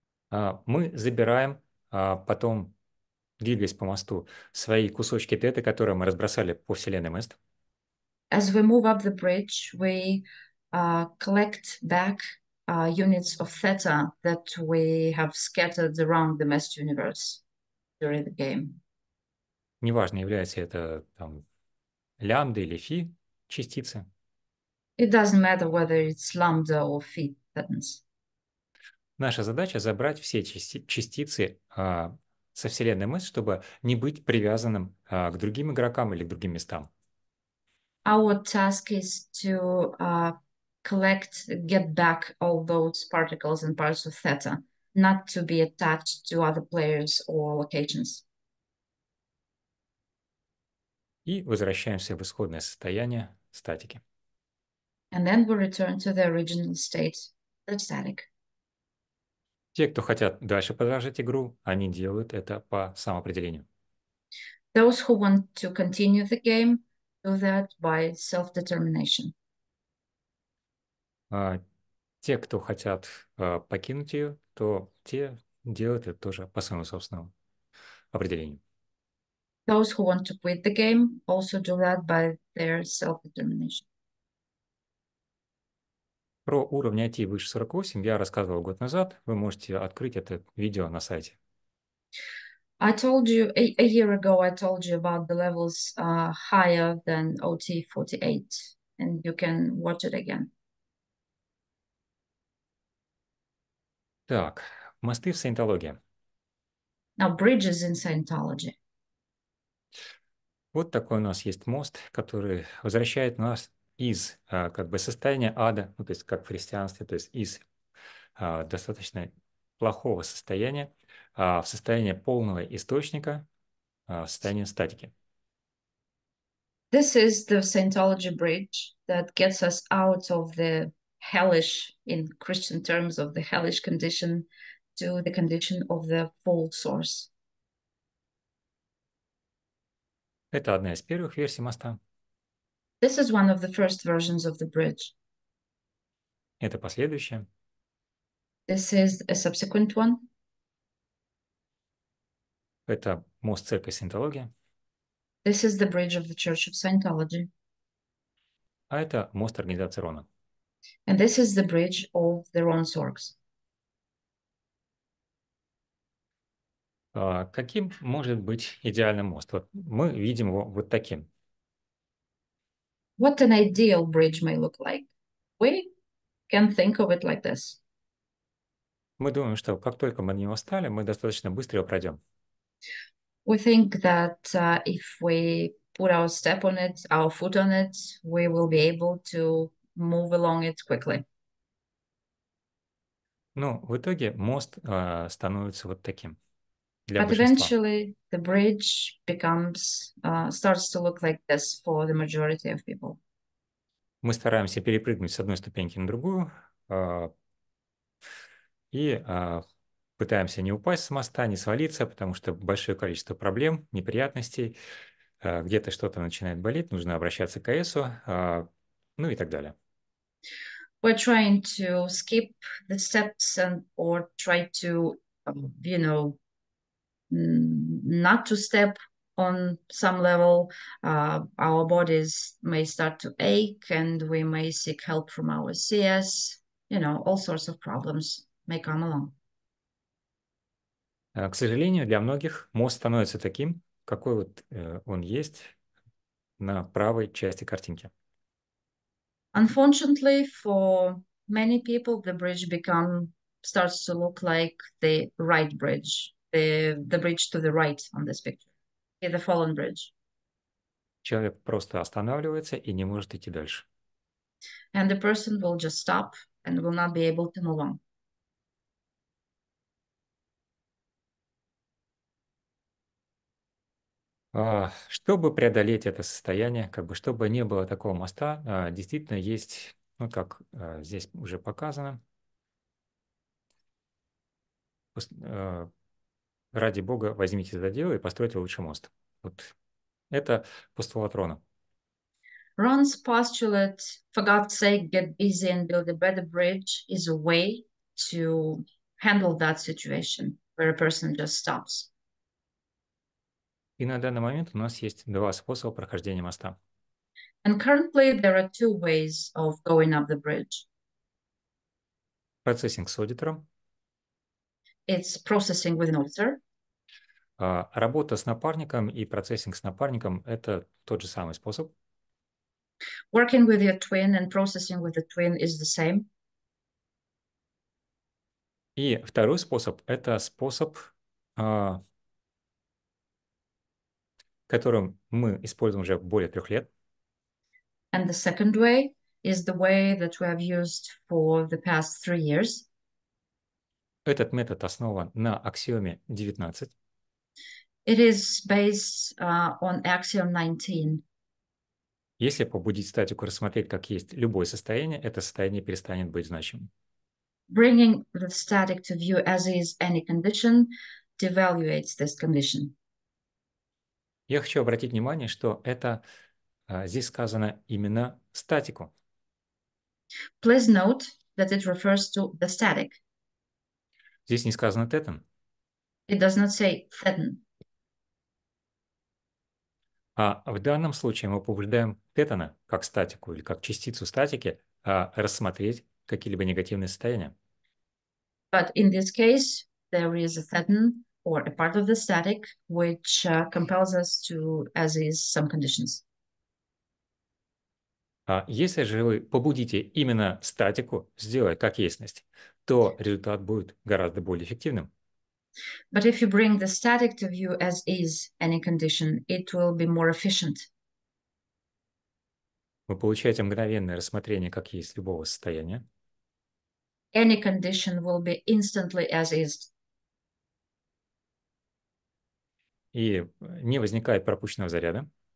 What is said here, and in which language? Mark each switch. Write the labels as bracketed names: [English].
[Russian] Мы забираем потом, двигаясь по мосту, свои кусочки теты, которые мы разбросали по вселенной мест. [English] As we move up the bridge, we collect back units of theta that we have scattered around the messed universe during the game. [Russian] Неважно, является это там лямбда или фи частицы. [English] It doesn't matter whether it's lambda or phi tetons. [Russian] Наша задача забрать все частицы со вселенной мест, чтобы не быть привязанным к другим игрокам или к другим местам. [English] Our task is to collect, get back all those particles and parts of theta, not to be attached to other players or locations. [Russian] И возвращаемся в исходное состояние статики. [English] And then we return to the original state, the static. [Russian] Те, кто хотят дальше продолжать игру, они делают это по самоопределению. [English] Those who want to continue the game do that by self-determination. [Russian] Те, кто хотят покинуть ее, то те делают это тоже по своему собственному определению. [English] Those who want to quit the game also do that by their self-determination. [Russian] Про уровень IT выше 48 я рассказывал год назад. Вы можете открыть это видео на сайте. [English] I told you a year ago I told you about the levels higher than OT48, and you can watch it again. [Russian] Так, мосты в саентологии. [English] Now bridges in Scientology. [Russian] Вот такой у нас есть мост, который возвращает нас из как бы состояния ада, ну, то есть как в христианстве, то есть из достаточно плохого состояния в состояние полного источника, в состояние статики. [English] This is the Scientology bridge that gets us out of the hellish, in Christian terms, of the hellish condition to the condition of the full source. [Russian] Это одна из первых версий моста. [English] This is one of the first versions of the bridge. [Russian] Это последующее. [English] This is a subsequent one. [Russian] Это мост церкви саентологии. [English] This is the bridge of the Church of Scientology. [Russian] А это мост организации Рона. [English] And this is the bridge of the Ron Sorgs. [Russian] Каким может быть идеальный мост? Вот мы видим его вот таким. [English] What an ideal bridge may look like. We can think of it like this. [Russian] Мы думаем, что как только мы на него встали, мы достаточно быстро его пройдем. [English] We think that if we put our step on it, our foot on it, we will be able to move along it quickly. [Russian] Ну, в итоге мост становится вот таким. [English] But eventually, the bridge becomes starts to look like this for the majority of people. [Russian] Мы стараемся перепрыгнуть с одной ступеньки на другую, и пытаемся не упасть с моста, не свалиться, потому что большое количество проблем, неприятностей, где-то что-то начинает болеть, нужно обращаться к АЭСу, ну и так далее. [English] We're trying to skip the steps and or try to, you know, not to step on some level. Our bodies may start to ache and we may seek help from our CS. You know, all sorts of problems may come along. [Russian] К сожалению, для многих мост становится таким, какой вот он есть на правой части картинки. [English] Unfortunately, for many people, the bridge starts to look like the right bridge, the bridge to the right on this picture, the fallen bridge. [Russian] Человек просто останавливается и не может идти дальше. [English] And the person will just stop and will not be able to move on. [Russian] Чтобы преодолеть это состояние, как бы чтобы не было такого моста, действительно есть, ну как здесь уже показано, ради Бога возьмите за дело и постройте лучше мост. Вот это постулат Рона. [English] Ron's postulate, for God's sake, get busy and build a better bridge, is a way to handle that situation where a person just stops. [Russian] И на данный момент у нас есть два способа прохождения моста. [English] And currently there are two ways of going up the bridge. [Russian] Процессинг с аудитором. [English] It's processing with an auditor. [Russian] Работа с напарником и процессинг с напарником – это тот же самый способ. [English] Working with your twin and processing with the twin is the same. [Russian] И второй способ – это способ... которым мы используем уже более 3 лет. [English] And the second way is the way that we have used for the past 3 years. [Russian] Этот метод основан на аксиоме 19. [English] It is based on axiom 19. [Russian] Если побудить статику рассмотреть, как есть любое состояние, это состояние перестанет быть значимым. [English] Bringing the static to view as is any condition devaluates this condition. [Russian] Я хочу обратить внимание, что это здесь сказано именно статику. [English] Please note that it refers to the static. [Russian] Здесь не сказано тетан. [English] It does not say тетан. [Russian] А в данном случае мы побуждаем тетана как статику или как частицу статики рассмотреть какие-либо негативные состояния. [English] But in this case, there is a тетан. Or a part of the static, which compels us to, as is, some conditions. [Russian] Если же вы побудите именно статику сделать как естьность, то результат будет гораздо более эффективным. [English] But if you bring the static to view as is any condition, it will be more efficient. [Russian] Вы получаете мгновенное рассмотрение как есть любого состояния. [English] Any condition will be instantly as is. [Russian] И не возникает пропущенного заряда.